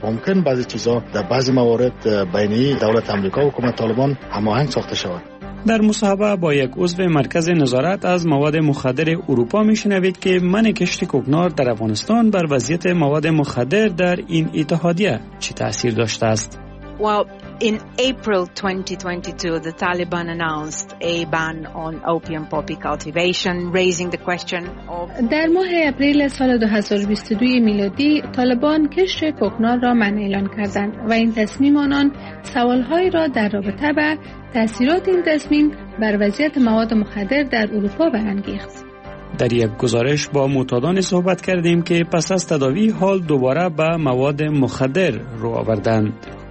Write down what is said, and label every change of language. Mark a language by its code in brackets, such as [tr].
[fa] ممکن بعضی چیزا در بعضی موارد بین دولت آمریکا و حکومت طالبان هماهنگ ساخته شود. در مصاحبه با یک عضو مرکز نظارت از مواد مخدر اروپا میشنوید که من کشت کوکنار در افغانستان بر وضعیت مواد مخدر در این اتحادیه چه تأثیر داشته است؟ [en] In April 2022, the Taliban announced a ban on opium poppy cultivation, raising the question of. [fa] در ماه اپریل سال 2022 میلادی، طالبان کشت کوکنار را منع اعلان کردند و این تصمیم آنان سوال‌های را در رابطه با تأثیرات این تصمیم بر وضعیت مواد مخدر در اروپا برانگیخت. در یک گزارش با معتادان صحبت کردیم که پس از تداوی حال دوباره به مواد مخدر رو آوردند.